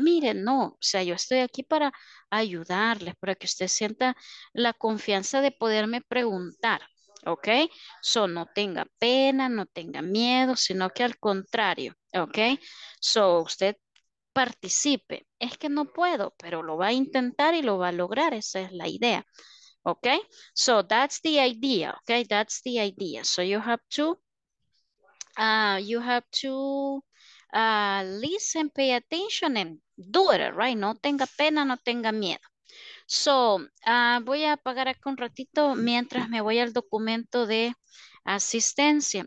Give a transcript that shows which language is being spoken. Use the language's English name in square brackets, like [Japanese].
[Spanish] Mire, no, o sea, yo estoy aquí para ayudarles, para que usted sienta la confianza de poderme preguntar, ¿ok? So, no tenga pena, no tenga miedo, sino que al contrario, ¿ok? So, usted participe. Es que no puedo, pero lo va a intentar y lo va a lograr. Esa es la idea. [English] ¿Ok? So that's the idea. ¿Ok? That's the idea. So you have to listen, pay attention and do it, right? [Spanish] No tenga pena, no tenga miedo. So voy a apagar acá un ratito mientras me voy al documento de asistencia.